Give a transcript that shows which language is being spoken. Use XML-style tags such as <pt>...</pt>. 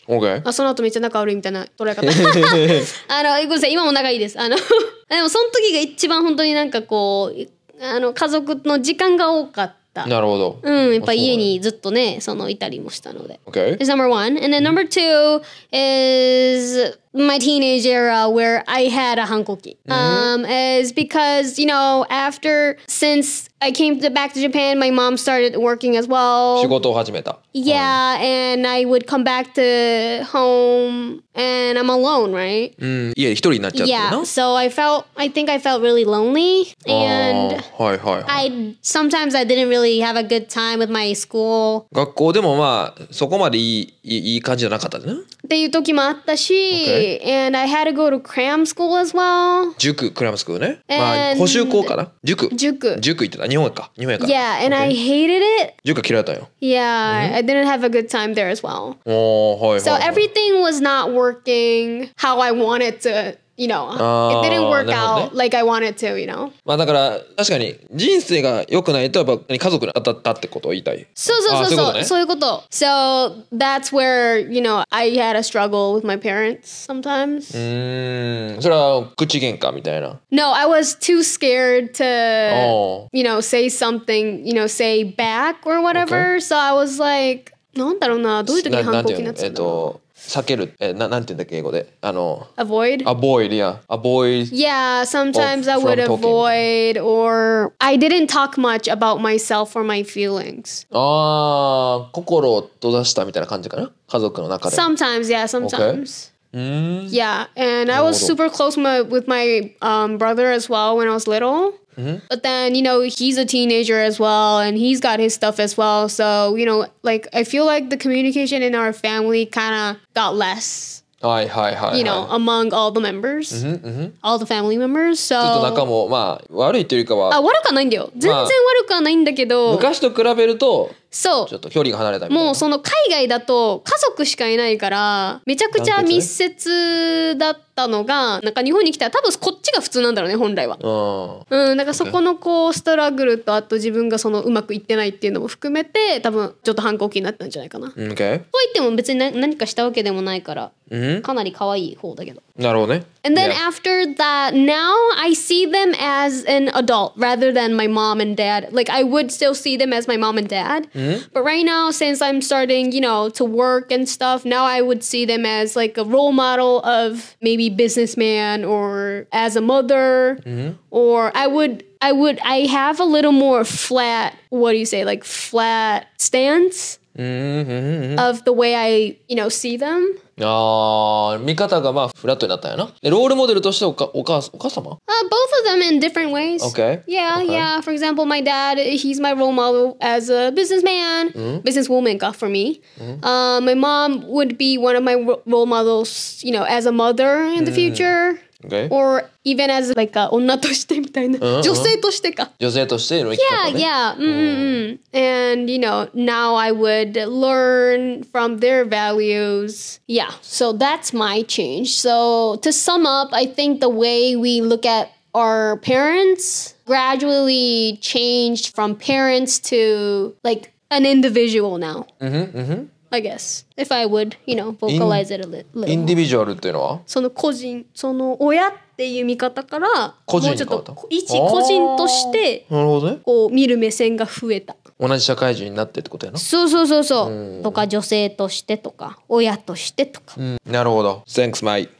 <en>Mm-hmm. Okay.</en> <ja>あ、その後めっちゃ仲悪いみたいな捉え方。あの、ごめんなさい、今も仲いいです。あの、でもその時が一番本当になんかこう、あの、家族の時間が多かった。なるほど。うん、やっぱ家にずっとね、そのいたりもしたので。</ja> <en>Okay. That's number one. And then number two is... My teenage era where I had a 反抗期 is because, you know, after, since I came back to Japan, my mom started working as well.</en> <ja>仕事を始めた。</ja> <en>Yeah, and I would come back to home and I'm alone, right?</en> <ja>うん、家で一人になっちゃってな。</ja> <en>Yeah, so I felt really lonely. And</en> <ja>はいはい、はい、</ja> <en>sometimes I didn't really have a good time with my school.</en> <ja>学校でもまあ、そこまでいい感じじゃなかったね。っていう時もあったし、</ja> <en>Okay. And I had to go to cram school as well.</en> <ja>塾、cram school ね。まあ、補習校かな。塾。塾。塾行ってた。日本か。日本か。</ja> <en>Yeah, and I hated it.</en> <ja>塾嫌いだったよ。</ja> <en>Yeah, I didn't have a good time there as well.</en> <ja>おー、はい。</ja> <en>So everything was not working how I wanted to, you know. It didn't work out like I wanted to, you know.</en> <ja>まあだから、確かに人生が良くないと、やっぱ家族に当たったってことを言いたい。そうそうそうそう。そういうこと。</ja> <en>So that's where, you know, I had a struggle with my parents sometimes.</en> <ja>それは口喧嘩みたいな。</ja> <en>No, I was too scared to, you know, say something, you know, say back or whatever. Okay. So I was like,</en> <ja>なんだろうな、どういう時に反抗期になっちゃったの? 避ける、なんて言うんだっけ英語で、あの、</ja> <en>avoid? Avoid, yeah. Avoid. Yeah, sometimes I would avoid or I didn't talk much about myself or my feelings.</en> <ja>ああ、心を閉ざしたみたいな感じかな家族の中で。</ja> <en>Sometimes, yeah, sometimes. Okay. Yeah, and I was super close with my brother as well when I was little. But then, you know, he's a teenager as well, and he's got his stuff as well. So, you know, like, I feel like the communication in our family kind of got less.</en> <ja>はいはいはい、はい、</ja> <en>You know, among all the members、 mm-hmm. All the family members、so、</en> <ja>ちょっと仲もまあ悪いというかはあ悪くないんだよ全然悪くはないんだけど、まあ、昔と比べるとそうちょっと距離が離れたみたいなもうその海外だと家族しかいないからめちゃくちゃ密接だったのがなんか日本に来たら多分こっちが普通なんだろうね本来はうんだからそこのこうストラグルとあと自分がそのうまくいってないっていうのも含めて多分ちょっと反抗期になったんじゃないかな、</ja> <en>okay.</en> <ja>と言っても別に 何かしたわけでもないからかなり可愛い方だけど。なるほどね。</ja> <en>And then、yeah. after that, now I see them as an adult rather than my mom and dad. Like I would still see them as my mom and dad.、 Mm-hmm. But right now, since I'm starting, you know, to work and stuff, now I would see them as like a role model of maybe businessman or as a mother、 mm-hmm. or I would, I have a little more flat, what do you say, like flat stance、 mm-hmm. of the way I, you know, see them.</en> <ja>見方がまあフラットになったよな。ロールモデルとしてお母様、</ja> <en>Both of them in different ways. Okay. Yeah, okay. yeah. For example, my dad, he's my role model as a businessman,、 mm-hmm. businesswoman got for me.、 Mm-hmm. My mom would be one of my role models, you know, as a mother in the、mm-hmm. future. Okay. Or even as like a</en> <ja>女としてみたいな。Uh-huh. 女性としてか。女性としての生き方ね。Yeah, yeah. Mm-hmm.</ja> <en>And you know, now I would learn from their values. Yeah, so that's my change. So to sum up, I think the way we look at our parents gradually changed from parents to like an individual now. Mm-hmm, mm-hmm. I guess, if I would, you know, vocalize it a little.</en> <ja>Individual っていうのは? その個人、その親っていう見方から、個人に変わった。一個人として、なるほどね。こう見る目線が増えた。同じ社会人になってってことやな。そうそうそうそう。とか女性としてとか、親としてとか。なるほど。</ja> <en>Thanks, mate.</en>